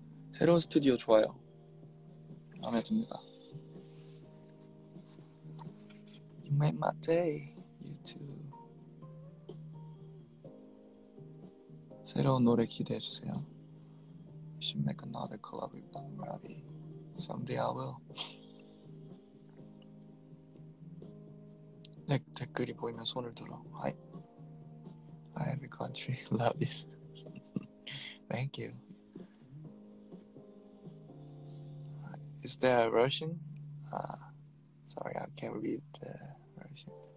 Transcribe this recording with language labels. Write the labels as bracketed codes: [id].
[ko] 새로운 스튜디오 좋아요. 마음에 듭니다. [en] You made my day, you too. [ko] 새로운 노래 기대해 주세요. [en] We should make another collab with Bob Marley. Someday I will. [ko] 네, 댓글이 보이면 손을 들어. [en] Hi. Hi every country, love you. Thank you. Is there a Russian? Sorry, I can't read the Russian.